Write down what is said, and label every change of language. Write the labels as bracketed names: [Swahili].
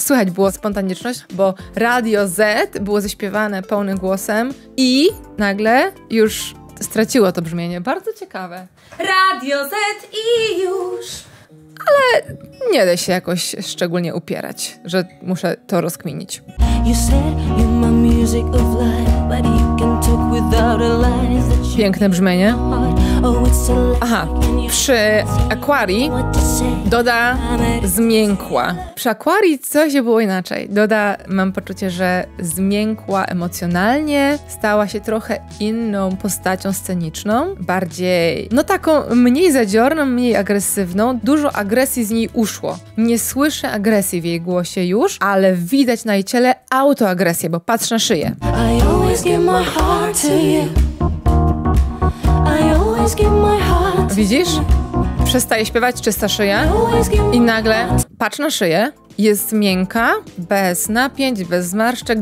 [Polish] Słychać było spontaniczność, bo Radio Z było zaśpiewane pełnym głosem i nagle już straciło to brzmienie. Bardzo ciekawe. Radio Z i już. Ale nie da się jakoś szczególnie upierać, że muszę to rozkminić. [English] You said you're my music of life, but you can talk without a line. [Polish] Piękne brzmienie. Aha, przy Aquarii Doda zmiękła. Przy Aquarii coś było inaczej. Doda, mam poczucie, że zmiękła emocjonalnie, stała się trochę inną postacią sceniczną, bardziej, no taką mniej zadziorną, mniej agresywną. Dużo agresji z niej uszło. Nie słyszę agresji w jej głosie już, ale widać na jej ciele autoagresję, bo patrz na szyję. [English] I always give my heart to you. [Polish] Widzisz? Przestaje śpiewać czysta szyja i nagle patrz na szyję. Jest miękka, bez napięć, bez zmarszczek.